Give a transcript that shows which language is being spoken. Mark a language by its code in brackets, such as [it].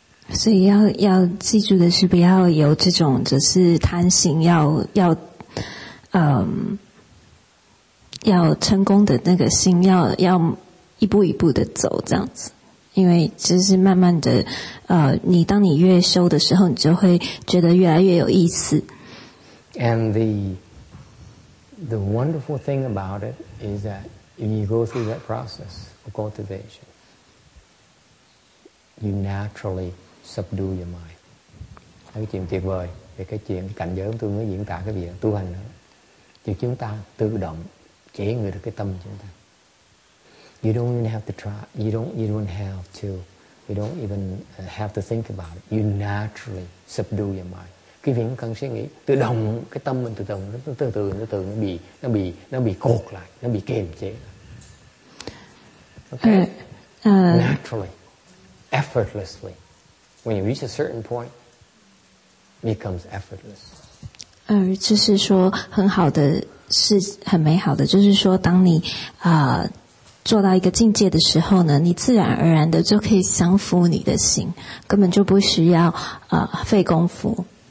[zh] 所以要记住的是，不要有这种就是贪心，要成功的那个心，要一步一步的走这样子，因为就是慢慢的，你当你越修的时候，你就会觉得越来越有意思。 [en] And the wonderful thing about it is that when you go through that process of cultivation, you naturally subdue your mind. [zh] 那个 [vi] chuyện tuyệt vời về cái chuyện cảnh giới tôi mới diễn tả cái việc tu hành đó, thì chúng ta tự động chế ngự được cái tâm chúng ta. [en] You don't even have to try. You don't even have to think about it. You naturally subdue your mind. [vi] Cái việc cần suy nghĩ, tự động cái tâm mình từ từ nó bị cột lại, nó bị kiềm chế. [en] Okay. Naturally, effortlessly. When you reach a certain point, it becomes effortless. [zh] 就是说很好的是很美好的，就是说当你做到一个境界的时候呢，你自然而然的就可以降服你的心，根本就不需要费功夫。